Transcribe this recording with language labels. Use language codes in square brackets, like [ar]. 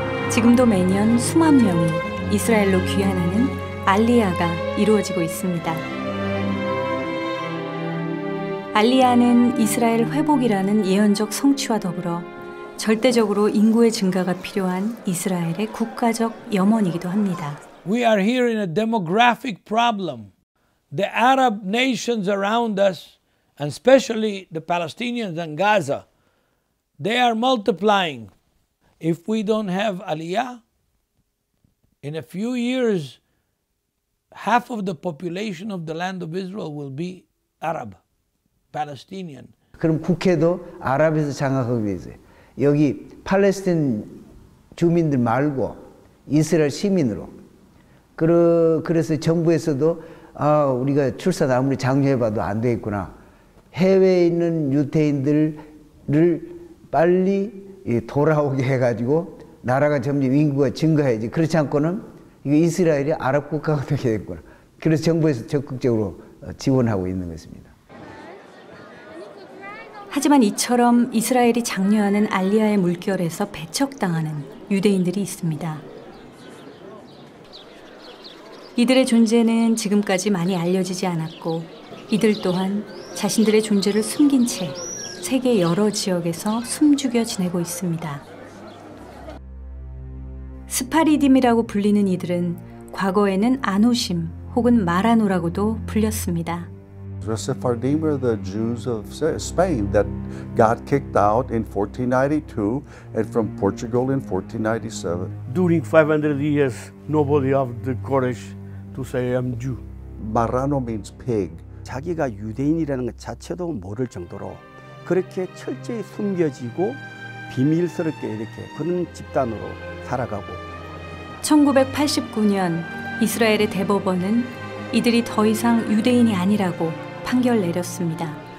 [ko] 지금도 매년 수만 명이 이스라엘로 귀환하는 알리아가 이루어지고 있습니다. 알리아는 이스라엘 회복이라는 예언적 성취와 더불어 절대적으로 인구의 증가가 필요한 이스라엘의 국가적 염원이기도 합니다. [en] We are here in a demographic problem. The Arab nations around us and especially the Palestinians and Gaza, they are multiplying. If we don't have Aliyah, in a few years, half of the population of the land of Israel will be Arab, Palestinian. [ko] 그럼 국회도 아랍에서 장악하게 되지. 여기 팔레스틴 주민들 말고 이스라엘 시민으로. 그래서 정부에서도 아 우리가 출산 아무리 장려해봐도 안 되겠구나. 해외에 있는 유대인들을 빨리 돌아오게 해가지고 나라가 점점 인구가 증가해야지. 그렇지 않고는 이스라엘이 아랍 국가가 되게 됐구나. 그래서 정부에서 적극적으로 지원하고 있는 것입니다. 하지만 이처럼 이스라엘이 장려하는 알리아의 물결에서 배척당하는 유대인들이 있습니다. 이들의 존재는 지금까지 많이 알려지지 않았고 이들 또한 자신들의 존재를 숨긴 채 세계 여러 지역에서 숨죽여 지내고 있습니다. 스파리딤이라고 불리는 이들은 과거에는 아노심 혹은 마라노라고도 불렸습니다. [en] The Sephardim were the Jews of Spain that God kicked out in 1492 and from Portugal in 1497. During 500 years, nobody had the courage to say I'm Jew. Marano means pig. [ko] 자기가 유대인이라는 것 자체도 모를 정도로 그렇게 철저히 숨겨지고 비밀스럽게 이렇게 그런 집단으로 살아가고. 1989년 이스라엘의 대법원은 이들이 더 이상 유대인이 아니라고 판결 내렸습니다.